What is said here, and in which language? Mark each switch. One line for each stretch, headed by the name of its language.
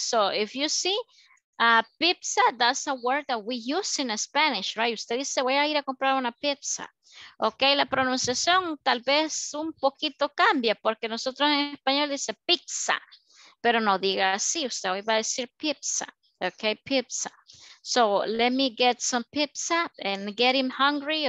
English: So if you see, pizza, that's a word that we use in Spanish, right?
Spanish: Usted dice, voy a ir a comprar una pizza. Okay. La pronunciación tal vez un poquito cambia porque nosotros en español dice pizza, pero no diga así. Usted hoy va a decir pizza. Okay, pizza.
English: So let me get some pizza and get him hungry.